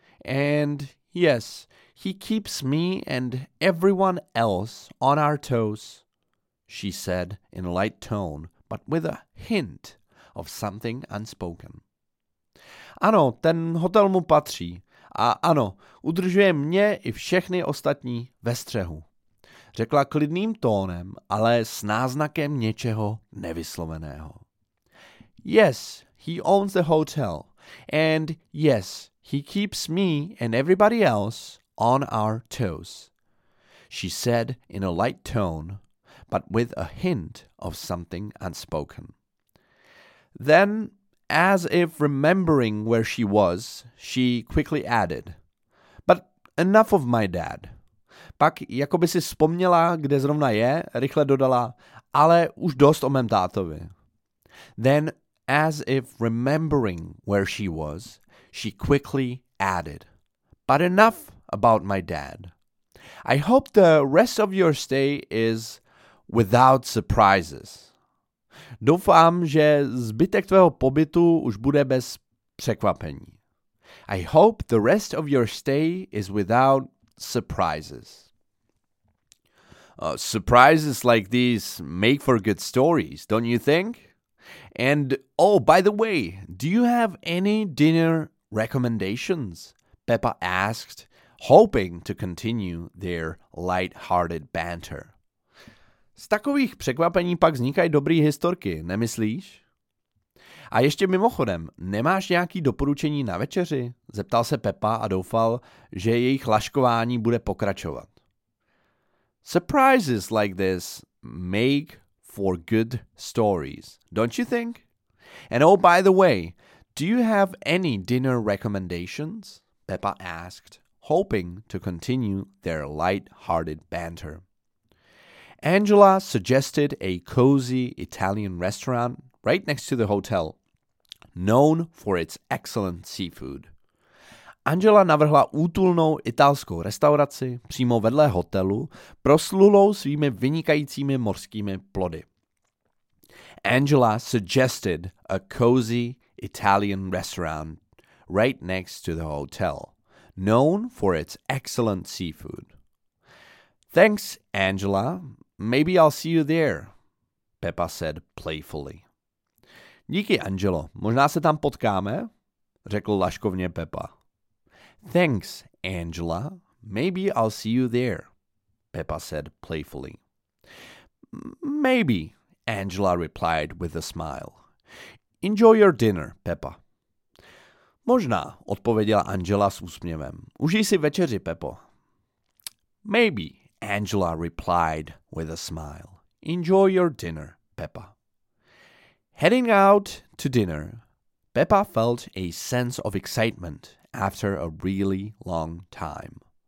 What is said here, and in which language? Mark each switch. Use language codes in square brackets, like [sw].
[en] And yes, he keeps me and everyone else on our toes, she said in a light tone, but with a hint of something unspoken. [cs] Ano, ten hotel mu patří. A ano, udržuje mě i všechny ostatní ve střehu. Řekla klidným tónem, ale s náznakem něčeho nevysloveného. [en] Yes, he owns the hotel. And yes, he keeps me and everybody else on our toes. She said in a light tone, but with a hint of something unspoken. Then, as if remembering where she was, she quickly added, But enough of my dad. [cs] Pak, jako by si vzpomněla, kde zrovna je, rychle dodala, ale už dost o mém tátovi. [en] Then, as if remembering where she was, she quickly added, But enough about my dad. I hope the rest of your stay is without surprises. [cs] Doufám, že zbytek tvého pobytu už bude bez překvapení. [en] I hope the rest of your stay is without surprises. Surprises like these make for good stories, don't you think? And, oh, by the way, do you have any dinner recommendations? Pepa asked, hoping to continue their light-hearted banter. [cs] Z takových překvapení pak vznikají dobrý historky, nemyslíš? A ještě mimochodem, nemáš nějaký doporučení na večeři? Zeptal se Pepa a doufal, že jejich laškování bude pokračovat. [en] Surprises like this make for good stories, don't you think? And oh, by the way, do you have any dinner recommendations? Pepa asked, hoping to continue their light-hearted banter. Angela suggested a cozy Italian restaurant right next to the hotel, known for its excellent seafood. [cs] Angela navrhla útulnou italskou restauraci přímo vedle hotelu, proslulou svými vynikajícími mořskými plody. [en] Angela suggested a cozy Italian restaurant right next to the hotel, known for its excellent seafood. Thanks, Angela. Maybe I'll see you there, Pepa said playfully. [cs] Díky, Angelo. Možná se tam potkáme, řekl laškovně Pepa. [en] Thanks, Angela. Maybe I'll see you there, Pepa said playfully. Maybe, Angela replied with a smile. Enjoy your dinner, Pepa. [cs] Možná, odpověděla Angela s úsměvem. Užij si večeři, Pepo. [en] Maybe, Angela replied with a smile. Enjoy your dinner, Peppa. Heading out to dinner, Peppa felt a sense of excitement after a really long time.